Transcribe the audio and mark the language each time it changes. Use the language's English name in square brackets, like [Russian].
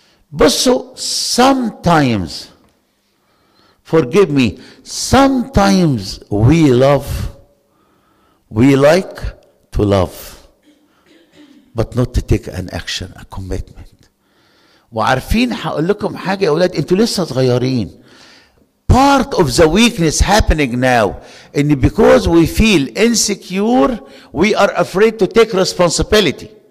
[English] But so sometimes, forgive me, sometimes we like to love, but not to take an action, a commitment. [Arabic] وعارفين هقول لكم حاجة يا أولاد, أنتوا لسه صغيرين. [English] Part of the weakness happening now, and because we feel insecure, we are afraid to take responsibility.